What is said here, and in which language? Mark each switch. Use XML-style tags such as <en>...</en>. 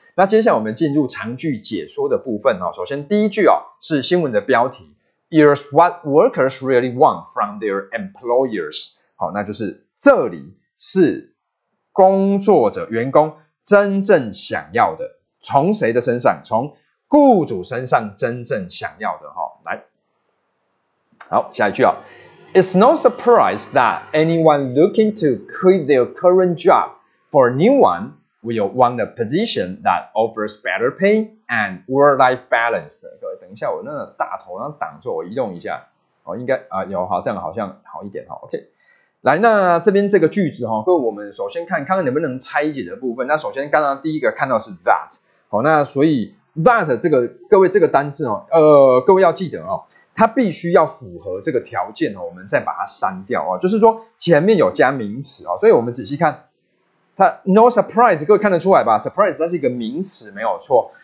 <zh>那接下来我们进入长句解说的部分哦。首先第一句哦是新闻的标题</zh> <en>，Here's what workers really want from their employers。</en> <zh>好，那就是这里是工作者、员工真正想要的，从谁的身上？从雇主身上真正想要的哈，来，好，下一句啊</zh> <en>，It's no surprise that anyone looking to quit their current job for a new one will want a position that offers better pay and work-life balance。</en> <zh>各位，等一下，我那个大头要挡住，我移动一下，哦，应该啊，有好，这样好像好一点哈 ，OK。来，那这边这个句子哈，各位，我们首先看看能不能拆解的部分。那首先刚刚第一个看到是 that， 好，那所以。 That 这个各位这个单字哦，各位要记得哦，它必须要符合这个条件哦，我们再把它删掉哦，就是说前面有加名词哦，所以我们仔细看，它 no surprise， 各位看得出来吧 ？surprise 它是一个名词，没有错。</zh>